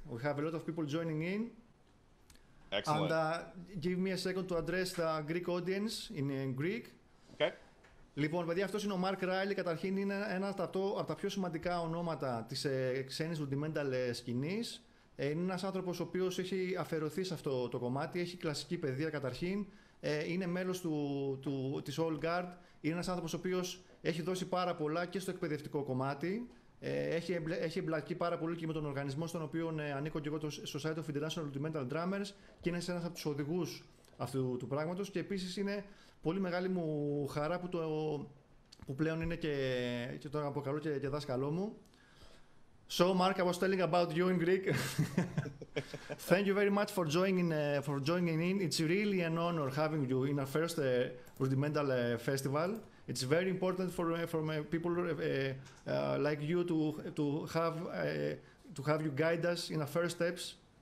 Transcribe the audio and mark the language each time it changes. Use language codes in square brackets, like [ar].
[en] We have a lot of people joining in. Excellent. And give me a second to address the Greek audience in Greek. [el] Λοιπόν, παιδιά, αυτός είναι ο Mark Reilly. Καταρχήν είναι ένα από τα πιο σημαντικά ονόματα της ξένης rudimental σκηνής. Είναι ένας άνθρωπος ο οποίος έχει αφαιρωθεί σε αυτό το κομμάτι. Έχει κλασική παιδεία καταρχήν. Είναι μέλος της Old Guard. Είναι ένας άνθρωπος ο οποίος έχει δώσει πάρα πολλά και στο εκπαιδευτικό κομμάτι. Έχει εμπλακεί πάρα πολύ και με τον οργανισμό στον οποίο ανήκω και εγώ, το Society of International Rudimental Drummers, και είναι ένας από τους οδηγούς αυτού του πράγματος. Και επίσης είναι πολύ μεγάλη μου χαρά που πλέον είναι και τον αποκαλώ και δάσκαλό μου. [en] So, Mark, I was telling about you in Greek. Thank you very much for joining in. It's really an honor having you in our first rudimental festival. It's very important for people like you to have you guide us in our first steps.